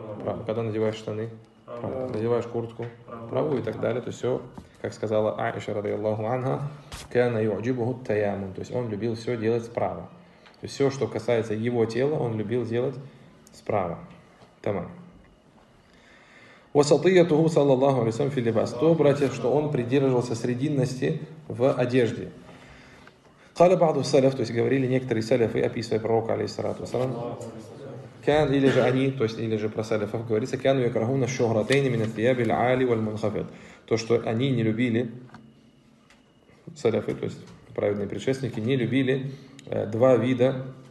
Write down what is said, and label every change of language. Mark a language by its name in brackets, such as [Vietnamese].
[Russian] Правую. Когда надеваешь штаны? Правую. Надеваешь куртку? Правую. И так далее. То есть, все, как сказала Аиша, رضي الله عنها, [Arabic] كان يعجبه التيامن. [Russian] То есть, он любил все делать справа. То есть, все, что касается его тела, он любил делать справа. Тамам. [Arabic] وسطيته صلى الله عليه وسلم في اللباس. [Russian] То, братья, что он придерживался срединности в одежде. [Arabic] قال بعض السلف, [Russian] то есть говорили некоторые салифы, описывая пророка алейхиссалату вассалам, كان, или же они, то есть или же про салифов говорится, [Arabic] كانوا يكرهون الشهرتين من الثياب العالي والمنخفض, [Russian] то что они не любили, салифы, то есть праведные предшественники, не любили два вида,